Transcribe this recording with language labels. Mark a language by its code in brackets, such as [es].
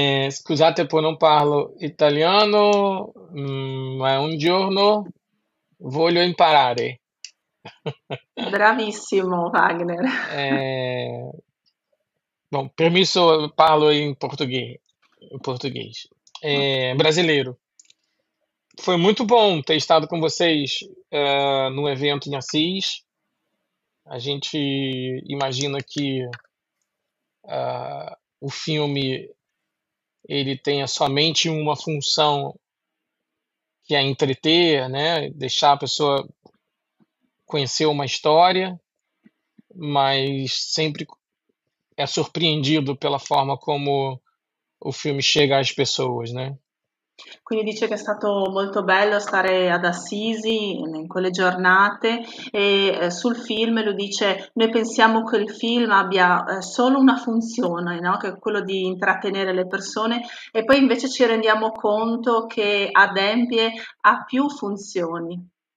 [it] Scusate por non parlo italiano, ma un giorno voglio imparare. Bravissimo, Wagner. [pt] Bom, permesso, parlo em português. Brasileiro. Foi muito bom ter estado com vocês no evento em Assis. A gente imagina que o filme ele tenha somente uma função, que é entreter, né? Deixar a pessoa conhecer uma história, mas sempre é surpreendido pela forma como o filme chega às pessoas, né? [it] Quindi dice che è stato molto bello stare ad Assisi in quelle giornate e sul film lui dice: noi pensiamo che il film abbia solo una funzione, no? Che è quello di intrattenere le persone e poi invece ci rendiamo conto che adempie a più funzioni.